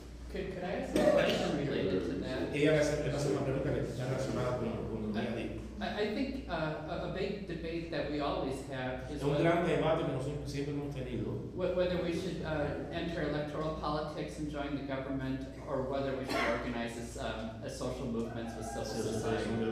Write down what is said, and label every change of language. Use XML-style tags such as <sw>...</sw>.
<en>Could I ask a question related to that? I think a big debate that we always have is</en> <es>un gran debate que nosotros siempre hemos tenido.</es> <en>Whether we should enter electoral politics and join the government, or whether we should organize as social movements with civil society.</en>